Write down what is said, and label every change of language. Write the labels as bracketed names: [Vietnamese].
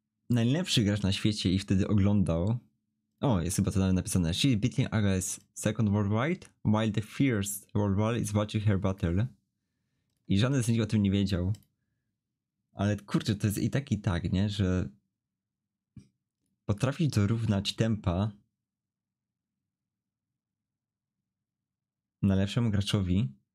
[Polish] najlepszy gracz na świecie i wtedy oglądał. O, jest chyba to nawet napisane. [English] She's beating Alice second worldwide, while the first worldwide is watching her battle. [Polish] I żaden z nich o tym nie wiedział. Ale kurczę, to jest i tak, nie? Że potrafisz dorównać tempa najlepszemu graczowi.